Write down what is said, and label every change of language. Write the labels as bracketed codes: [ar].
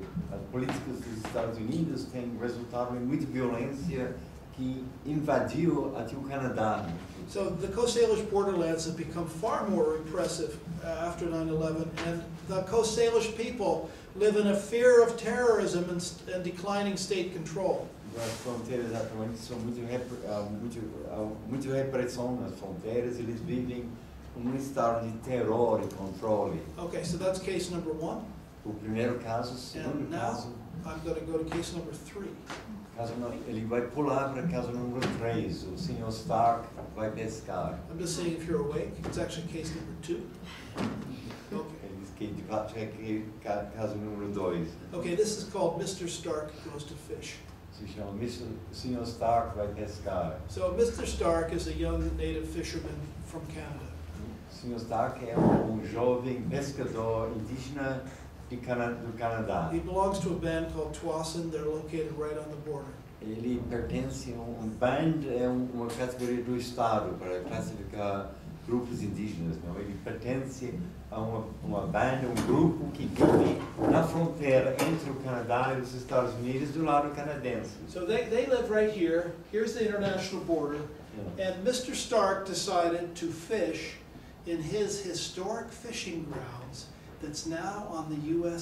[pt] As políticas dos Estados Unidos têm resultado em muita violência que invadiu até o Canadá. [en] So the Coast Salish borderlands have become far more repressive after 9/11, and the Coast Salish people live in a fear of terrorism and declining state control. [pt] As fronteiras atualmente são muito repressão nas fronteiras, eles vivem um estado de terror e controle. [en] Okay, so that's case number one. [pt] O primeiro caso, o segundo caso. [en] I'm going to go to case number three. [pt] Ele vai pular para caso número 3, o senhor Stark vai pescar. [en] I'm just saying if you're awake, it's actually case number 2. [pt] Que de fato é caso número 2. [en] Okay, this is called Mr. Stark Goes to Fish. [pt] Se chama Mr. Senhor Stark vai pescar. [en] So Mr. Stark is a young native fisherman from Canada. [pt] Senhor Stark é jovem pescador indígena de do Canadá. [en] He belongs to a band called Twasin. They're located right on the border. [pt] Ele pertence a band, é uma categoria do estado para classificar grupos indígenas, não? Ele pertence a uma banda, grupo que vive na fronteira entre o Canadá e os Estados Unidos do lado canadense. [en] So they live right here. Here's the international border. Yeah. And Mr. Stark decided to fish in his historic fishing grounds that's now on the U.S.